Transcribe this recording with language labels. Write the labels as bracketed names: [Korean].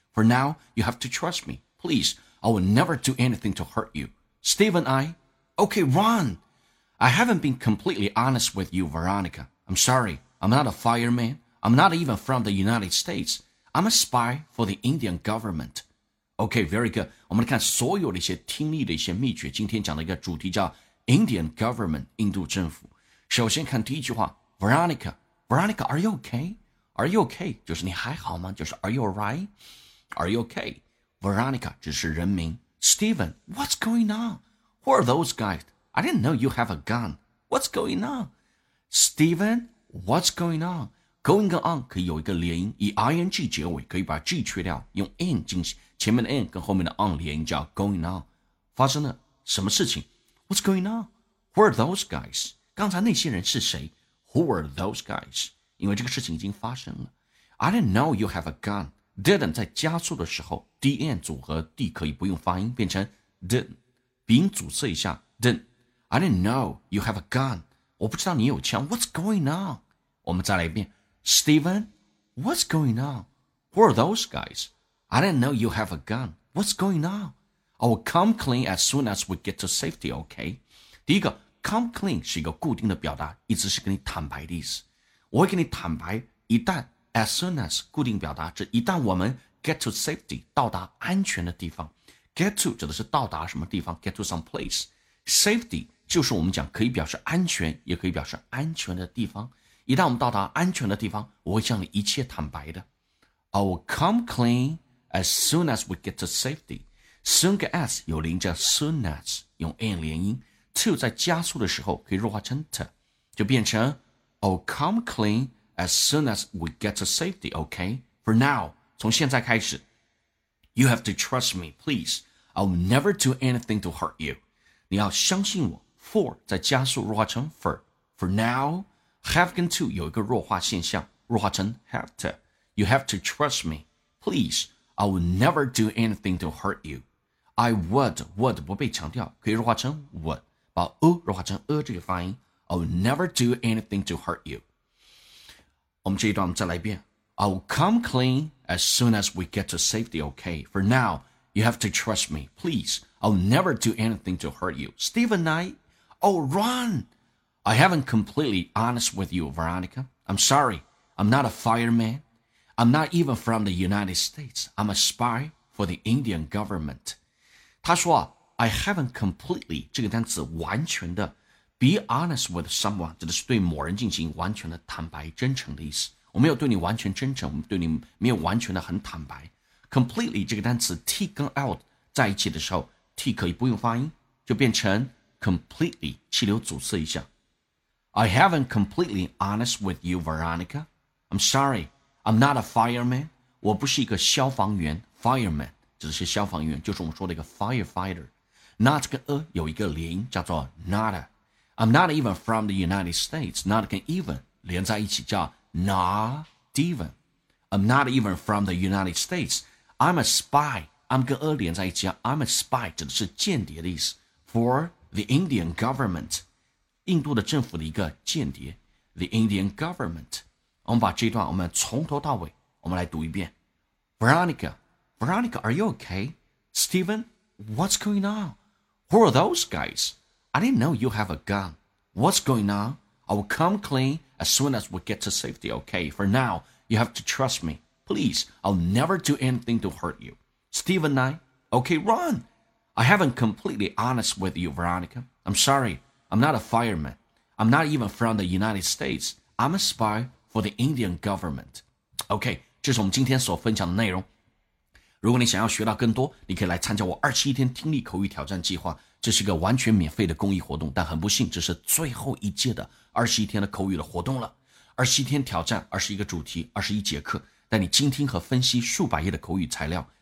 [English] For now, you have to trust me. Please, I will never do anything to hurt you. Steven, I... Okay, run! I haven't been completely honest with you, Veronica. I'm sorryI'm not a fireman. I'm not even from the United States. I'm a spy for the Indian government. Okay, very good. [Chinese] 我们来看所有的一些听力的一些秘诀。今天讲的一个主题叫 [English] Indian government, [Chinese] 印度政府。首先看第一句话 [English] ,Veronica, Veronica, are you okay? Are you okay? [Chinese] 就是你还好吗？就是 [English] are you alright? Are you okay? [Chinese] Veronica, 就是人名。 [English] Steven, what's going on? Who are those guys? I didn't know you have a gun. What's going on? Steven,What's going on? [Chinese] Going on 可以有一个连音，以 ing 结尾，可以把 g 去掉，用 in 进行，前面的 in 跟后面的 on 连音叫 going on。发生了什么事情 ？ [English] What's going on? Who are those guys? [Chinese] 刚才那些人是谁 ？ [English] Who are those guys? [Chinese] 因为这个事情已经发生了。 [English] I didn't know you have a gun. [Chinese] Didn't 在加速的时候 ，d n 组合 d 可以不用发音，变成 didn't， 鼻音阻塞一下 didn't。 [English] I didn't know you have a gun. [Chinese] 我不知道你有枪 [English] What's going on? [Chinese] 我们再来一遍 [English] Steven, what's going on? Who are those guys? I didn't know you have a gun. What's going on? I will come clean as soon as we get to safety, okay? [Chinese] 第一个 come clean 是一个固定的表达，一直是跟你坦白的意思。我会跟你坦白，一旦 [English] as soon as [Chinese] 固定表达，这一旦我们 [English] get to safety [Chinese] 到达安全的地方， get to 指的是到达什么地方， [English] get to some place, [Chinese] safety,就是我们讲可以表示安全，也可以表示安全的地方。一旦我们到达安全的地方，我会向你一切坦白的。 [English] I will come clean as soon as we get to safety. [Chinese] Soon 跟 as 有连叫 soon as, 用 an 连音。 [English] To [Chinese] 在加速的时候可以弱化成 [English] to, [Chinese] 就变成 [English] I will come clean as soon as we get to safety, okay? For now, [Chinese] 从现在开始。 [English] You have to trust me, please. I will never do anything to hurt you. [Chinese] 你要相信我。 For 在加速弱化成 for. For now, have 跟 to 有一个弱化现象，弱化成 have to. [English] You have to trust me. Please, I will never do anything to hurt you. [Chinese] I would 不被强调，可以弱化成 would, 把 弱化成这个发音。 [English] I will never do anything to hurt you. [Chinese] 我们这一段我们再来一遍。 [English] I will come clean as soon as we get to safety, okay? For now, you have to trust me. Please, I will never do anything to hurt you. Steven Knight,Oh, run! I haven't completely honest with you, Veronica. I'm sorry. I'm not a fireman. I'm not even from the United States. I'm a spy for the Indian government. [Chinese] 他说 [English] I haven't completely, [Chinese] 这个单词完全的 [English] be honest with someone, [Chinese] 指的是对某人进行完全的坦白真诚的意思。我没有对你完全真诚，我对你没有完全的很坦白。 Completely, 这个单词 T 跟 L 在一起的时候 T 可以不用发音，就变成Completely, 气流阻塞一下。 [English] I haven't completely honest with you, Veronica. I'm sorry, I'm not a fireman. [Chinese] 我不是一个消防员 ,fireman, 指的是消防员，就是我们说的一个 firefighter. Not 跟有一个连音叫做 not. [English] I'm not even from the United States. Not 跟 even, [Chinese] 连在一起叫 [English] not even. I'm not even from the United States. I'm a spy. [Chinese] I'm 跟连在一起叫 I'm a spy, 指的是间谍的意思。 For, [English] The Indian government, [Chinese] 印度的政府的一个间谍。 [English] The Indian government, [Chinese] 我们把这段我们从头到尾，我们来读一遍。 [English] Veronica, Veronica, are you okay? Steven, what's going on? Who are those guys? I didn't know you have a gun. What's going on? I will come clean as soon as we get to safety, okay? For now, you have to trust me. Please, I'll never do anything to hurt you. Steven, I, okay, run! I haven't completely honest with you, Veronica. I'm sorry, I'm not a fireman. I'm not even from the United States. I'm a spy for the Indian government. [Chinese] Okay, 这是我们今天所分享的内容。如果你想要学到更多，你可以来参加我27天听力口语挑战计划。这是一个完全免费的公益活动，但很不幸，这是最后一届的21天的口语的活动了。 27天挑战，21个主题，21节课，带你倾听和分析数百页的口语材料。